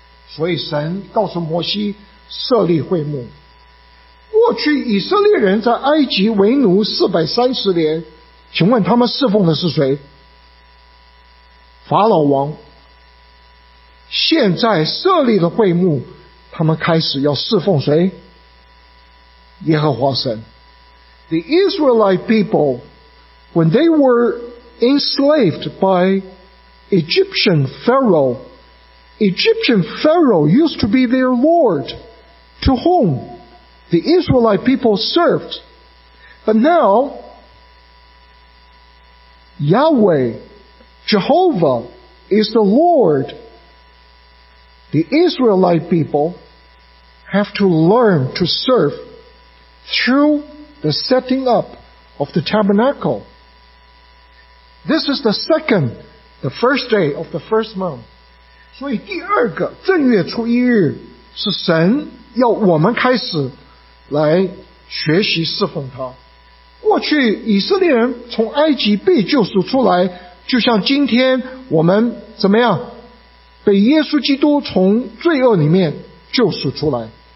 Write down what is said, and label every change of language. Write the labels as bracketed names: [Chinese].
[Chinese] 所以神告诉摩西设立会幕。过去以色列人在埃及为奴430年，请问他们侍奉的是谁？法老王。现在设立了会幕，他们开始要侍奉谁？耶和华神。 [English] The Israelite people, when they were enslaved by Egyptian Pharaoh used to be their lord, to whom the Israelite people served. But now Yahweh, Jehovah is the Lord. The Israelite people have to learn to serve through the setting up of the tabernacle. This is the second, the first day of the first month. [Chinese] 所以第二个正月初一日是神要我们开始来学习侍奉他。过去以色列人从埃及被救赎出来，就像今天我们怎么样被耶稣基督从罪恶里面救赎出来。